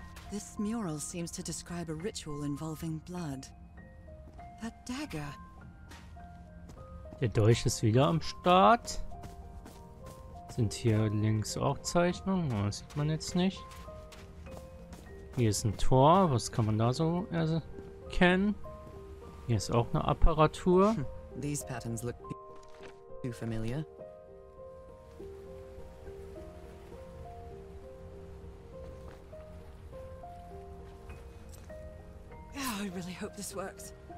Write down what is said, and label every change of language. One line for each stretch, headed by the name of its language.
English: This mural seems to describe a ritual involving blood. That dagger.
German: Der Dolch ist wieder am Start. Sind hier links auch Zeichnungen? Das sieht man jetzt nicht. Hier ist ein Tor. Was kann man da so erkennen? Hier ist auch eine Apparatur.
English: These patterns look too familiar. Oh, I really hope this works.